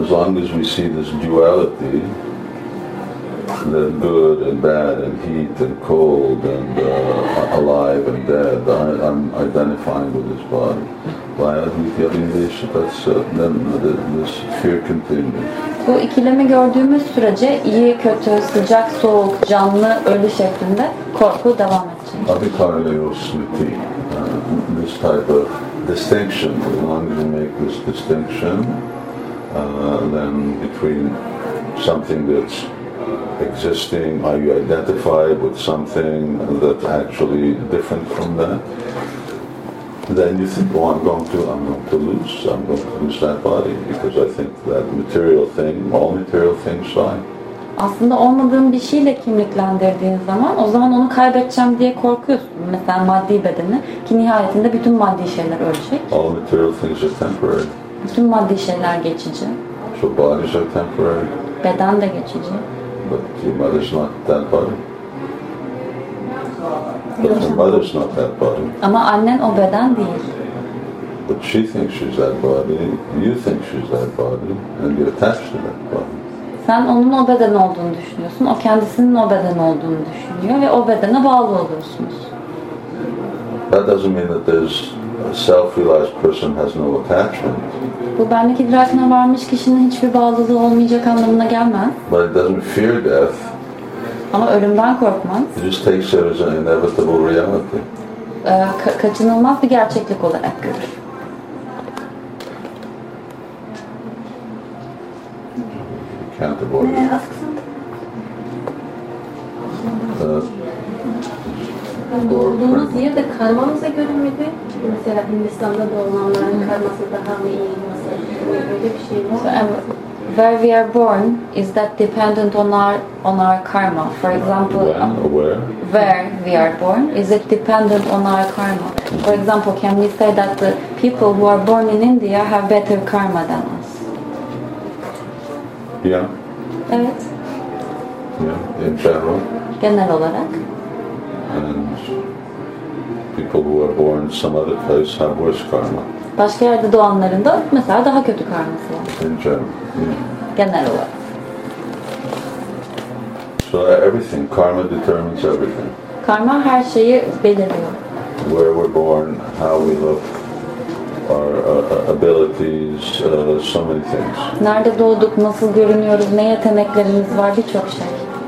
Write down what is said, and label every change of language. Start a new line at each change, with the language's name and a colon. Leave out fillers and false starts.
English: As long as we see this duality, the good and bad and heat and cold and alive and dead, I'm identifying with this body.
Sanskrit: Baya, dvitiya, aminivesha,
English: that's this fear continues.
Turkish: Bu ikilemi gördüğümüz sürece iyi, kötü, sıcak, soğuk, canlı, ölü şeklinde korku devam edecek.
English: Abhikaryosmiti. This type of distinction. As long as you make this distinction, then between something that's existing, are you identified with something that's actually different from that? Then you think, oh, I'm going to lose that body because I think that material thing, all material things lie.
Turkish: Aslında olmadığım bir şeyle kimliklendirdiğin zaman, o zaman onu kaybedeceğim diye korkuyorsun. Mesela maddi bedeni, ki nihayetinde bütün maddi şeyler ölecek.
English: All material things are temporary.
Turkish: Bütün maddi şeyler geçici.
English: So bodies are temporary.
Turkish: Beden de geçici.
English: But your mother's not that body. But her mother's not that body.
Turkish: Ama annen o beden değil.
English: But she thinks she's that body. You think she's that body, and you're attached to that body.
Turkish: Sen onun o beden olduğunu düşünüyorsun. O kendisinin o beden olduğunu düşünüyor ve o bedene bağlı oluyorsunuz.
English: That doesn't mean that there's a self-realized person has no attachment.
Turkish: Bu benlik idrakına varmış kişinin hiçbir bağlılığı olmayacak anlamına gelmez.
English: But it doesn't fear death.
Turkish: Ama ölümden korkmaz.
English: It just takes it as an inevitable reality.
Turkish: Kaçınılmaz bir gerçeklik olarak görür.
English: Can't avoid it.
Turkish: Doğduğunuz yer de karmanıza göre miydi? Mesela Hindistan'da doğulanların karması daha mı iyi? Böyle bir şey mi?
English: Where we are born, is that dependent on our karma? For example, where we are born, is it dependent on our karma? For example, can we say that the people who are born in India have better karma than us? Yeah.
Turkish: Evet.
English: Yeah, in general.
Turkish: Genel olarak.
English: And people who are born some other place have worse karma.
Turkish: Başka yerde doğanların da mesela daha kötü karması var.
English: In general.
Turkish: Genel olarak.
English: So everything, karma determines everything.
Turkish: Karma her şeyi belirliyor.
English: Where we're born, how we look, our abilities, so many things.
Turkish: Nerede doğduk, nasıl görünüyoruz, ne yeteneklerimiz var, birçok şey.